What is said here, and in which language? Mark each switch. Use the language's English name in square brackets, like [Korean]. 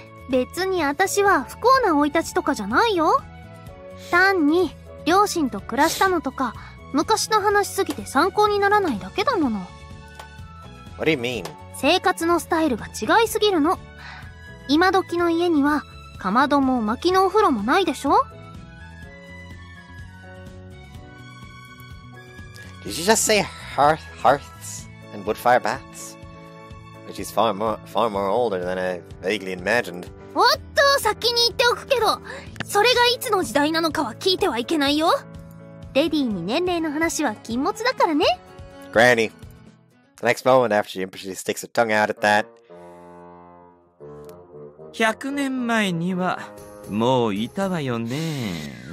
[Japanese] 別に私は不幸な生い立ちとかじゃないよ。単に両親と暮らしたのとか、昔の話すぎて参考にならないだけだもの。 [English] What do you mean? [Japanese] 生活のスタイルが違いすぎるの。今時の家にはかまども薪のお風呂もないでしょ? [English] Did you just say hearths and wood fire baths? Which is far more older than I vaguely imagined. [Japanese] おっと、先に言っておくけど、それがいつの時代なのかは聞いてはいけないよ。レディーに年齢の話は禁物だからね。 [English] Granny. The next moment after she impishly sticks her tongue out at that. [Japanese] 100年前にはもういたわよね。